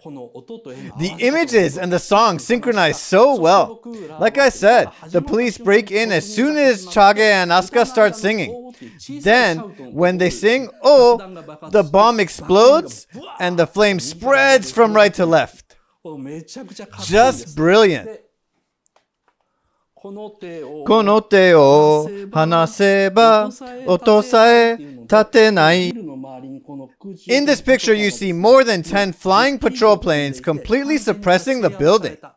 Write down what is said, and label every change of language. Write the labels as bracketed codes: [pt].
[en] The images and the song synchronize so well. Like I said, the police break in as soon as Chage and Asuka start singing. Then, when they sing, oh, the bomb explodes and the flame spreads from right to left. Just brilliant. [ja] この手を離せば音さえ立てない。 [en] In this picture, you see more than 10 flying patrol planes completely suppressing the building.